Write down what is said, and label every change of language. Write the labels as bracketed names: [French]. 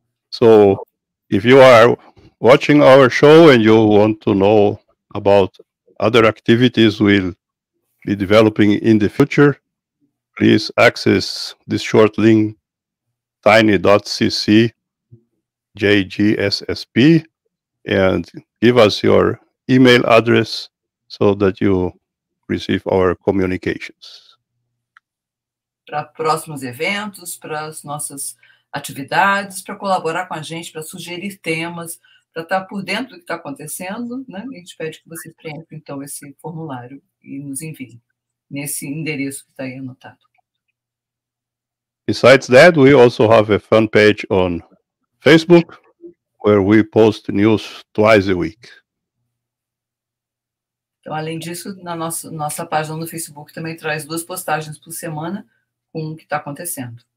[English] So, if you are watching our show and you want to know about other activities we'll be developing in the future, please access this short link, tiny.cc/jgssp, and give us your email address so that you receive our communications. [Portuguese] Para próximos eventos, para as nossas atividades, para colaborar com a gente, para sugerir temas, para estar por dentro do que está acontecendo, né? A gente pede que você preencha então esse formulário e nos envie nesse endereço que está aí anotado. [English] Besides that, we also have a fan page on Facebook, where we post news twice a week. [Portuguese] Então, além disso, na nossa página no Facebook também traz duas postagens por semana com o que está acontecendo.